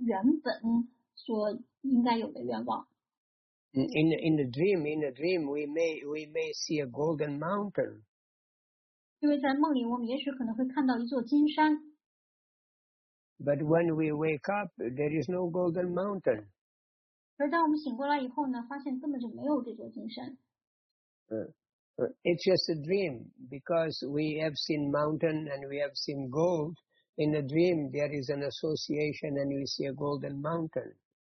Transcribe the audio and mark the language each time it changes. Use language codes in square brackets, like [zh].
[zh] 对呢，这其实只是在梦中的想法而已，这并不是我们原本所应该有的愿望。 [en] In the dream, we may see a golden mountain. [zh] 因为在梦里，我们也许可能会看到一座金山。 [en] But when we wake up, there is no golden mountain. [zh] 而当我们醒过来以后呢，发现根本就没有这座金山。 [en] It's just a dream because we have seen mountain and we have seen gold. In the dream, there is an association and we see a golden mountain.